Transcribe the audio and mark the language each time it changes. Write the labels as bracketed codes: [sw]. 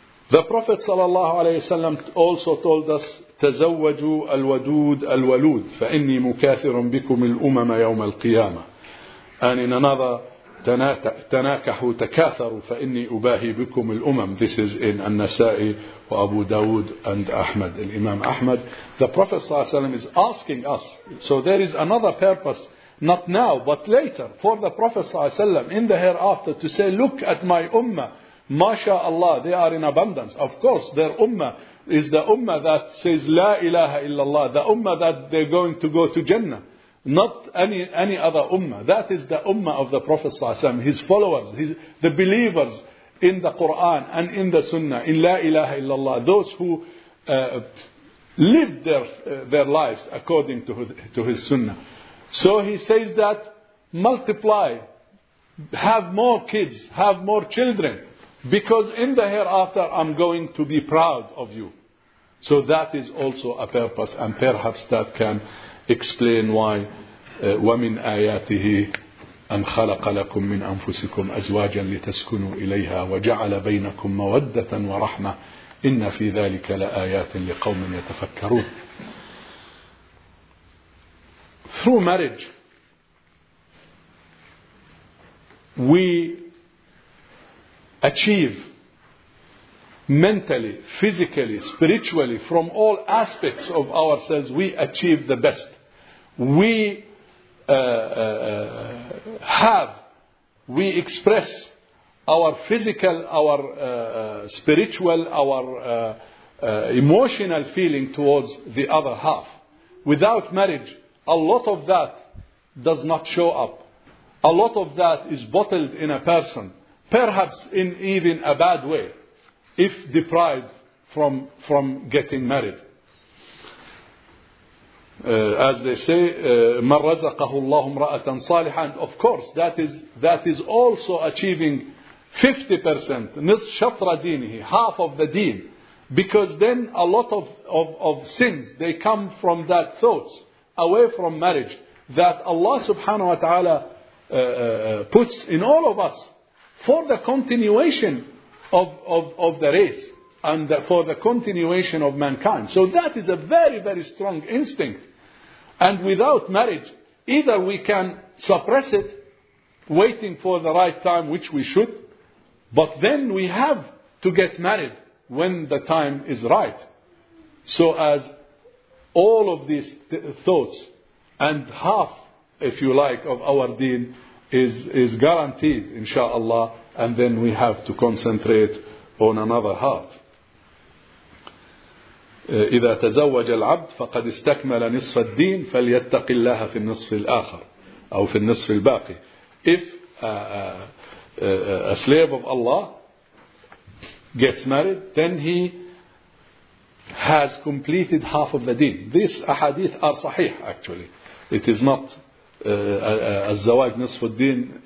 [en] The Prophet sallallahu alayhi wa sallam also told us, [ar] تَزَوَّجُوا الْوَدُودَ الْوَلُودَ فَإِنِّي مُكَاثِرٌ بِكُمِ الْأُمَمَ يَوْمَ الْقِيَامَةِ. [en] And in another [ar] تناكحوا تكاثروا فإني أباهي بكم الأمم. [en] This is in النسائي وأبو داود and أحمد. [ar] الإمام أحمد. [en] The Prophet صلى الله عليه وسلم is asking us. So there is another purpose, not now but later, for the Prophet صلى الله عليه وسلم in the hereafter to say, look at my Ummah. Masha Allah, they are in abundance. Of course, their Ummah is the Ummah that says La ilaha illallah. The Ummah that they're going to go to Jannah. Not any other ummah. That is the ummah of the Prophet ﷺ, his followers, the believers in the Quran and in the Sunnah, in La ilaha illallah, those who lived their lives according to his Sunnah. So he says that multiply, have more kids, have more children, because in the hereafter I'm going to be proud of you. So that is also a purpose, and perhaps that can explain why [ar] وَمِنْ آيَاتِهِ أَنْ خَلَقَ لَكُمْ مِنْ أَنفُسِكُمْ أَزْوَاجًا لِتَسْكُنُوا إِلَيْهَا وَجَعَلَ بَيْنَكُمْ مَوَدَّةً وَرَحْمَةً إِنَّ فِي ذَلِكَ لَآيَاتٍ لِقَوْمٍ يَتَفَكَّرُونَ. [en] Through marriage we achieve mentally, physically, spiritually, from all aspects of ourselves, we achieve the best. We have, we express our physical, our spiritual, our emotional feeling towards the other half. Without marriage, a lot of that does not show up. A lot of that is bottled in a person, perhaps in even a bad way, if deprived from getting married. As they say, [ar] مَنْ رَزَقَهُ اللَّهُ مْرَأَةً صَالِحًا. [en] Of course, that is also achieving 50%, [ar] نِصْ شَطْرَ دِينِهِ, [en] half of the deen. Because then a lot of sins, they come from that thoughts, away from marriage, that Allah subhanahu wa ta'ala puts in all of us for the continuation of the race and for the continuation of mankind. So that is a very, very strong instinct. And without marriage, either we can suppress it, waiting for the right time, which we should, but then we have to get married when the time is right. So as all of these thoughts, and half, if you like, of our deen is guaranteed, inshallah, and then we have to concentrate on another half. [ar] إذا تزوج العبد فقد استكمل نصف الدين فليتق الله في النصف الآخر أو في النصف الباقي. [en] If a slave of Allah gets married, then he has completed half of the deen. These ahadith are sahih actually. It is not [ar] الزواج نصف الدين.